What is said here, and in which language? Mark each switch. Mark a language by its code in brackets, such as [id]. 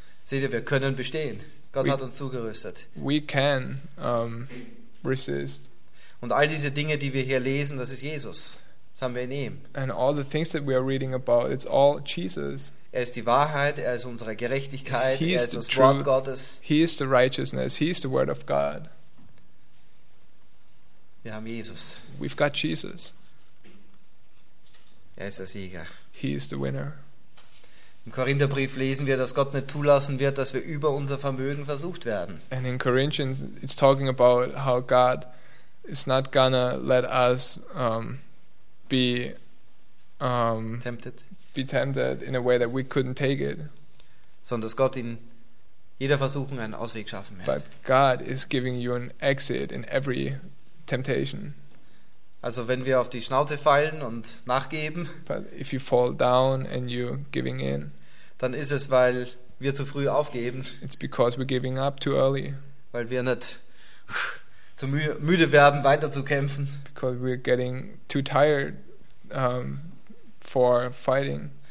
[de] Seht ihr, wir können bestehen. Gott hat uns zugerüstet. [en] We can resist. [de] Und all diese Dinge, die wir hier lesen, das ist Jesus. Das haben wir in ihm. [en] And all the things that we are reading about, it's all Jesus. [de] Er ist die Wahrheit, er ist unsere Gerechtigkeit, er ist das Wort Gottes. [en] He is the righteousness, he is the word of God. [de] Wir haben Jesus. [en] We've got Jesus. [de] Er ist der Sieger. [en] He is the winner. [de] Im Korintherbrief lesen wir, dass Gott nicht zulassen wird, dass wir über unser Vermögen versucht werden. [en] And in Corinthians it's talking about how God is not gonna let us be tempted in a way that we couldn't take it. [de] Sondern dass Gott in jeder Versuchung einen Ausweg schaffen wird. [en] But God is giving you an exit in every temptation. [de] Also wenn wir auf die Schnauze fallen und nachgeben, [en] but if you fall down and you giving in, [de] dann ist es, weil wir zu früh aufgeben. [en] It's because we're giving up too early. [de] Weil wir nicht zu müde werden, weiter zu kämpfen. [en] Because we're getting too tired for fighting.